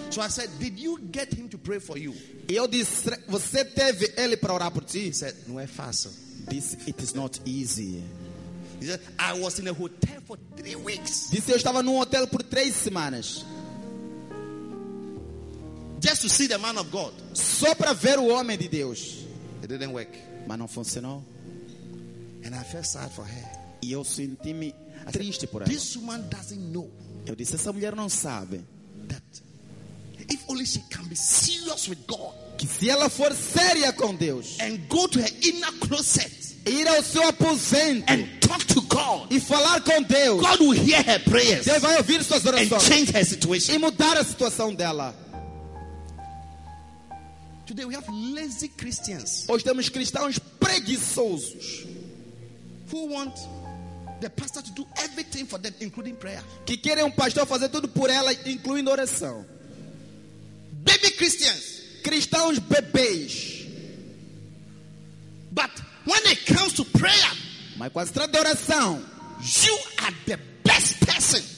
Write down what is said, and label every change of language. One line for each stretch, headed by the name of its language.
English: So I said, did you get him to pray for you?
Portuguese: E eu disse, você teve ele para orar por ti?
English: He said,
Portuguese: não é fácil.
English: This it is not easy. He said, I was in a hotel for 3 weeks.
Portuguese: Disse, eu estava num hotel por 3 semanas.
English: Just to see the man of God.
Portuguese: Só para ver o homem de Deus.
English: It didn't work.
Portuguese: Mas não funcionou.
English: And I felt sad for her.
Portuguese: E eu senti-me triste por ela.
English: This woman doesn't know.
Portuguese: Eu disse, essa mulher não sabe.
English: That if only she can be serious with God.
Portuguese: Que se ela for séria com Deus.
English: And go to her inner closet.
Portuguese: Ir ao seu aposento.
English: And talk to God.
Portuguese: E falar com Deus.
English: God will hear her prayers.
Portuguese: Deus vai ouvir suas orações.
English: And change her situation.
Portuguese: E mudar a situação dela.
English: Today we have lazy Christians.
Portuguese: Hoje temos cristãos preguiçosos.
English: Who want the pastor to do everything for them, including prayer.
Portuguese: Que querem pastor fazer tudo por ela, incluindo oração.
English: Baby Christians,
Portuguese: cristãos bebês.
English: But when it comes to prayer,
Portuguese: mas quando se trata de oração,
English: you are the best person.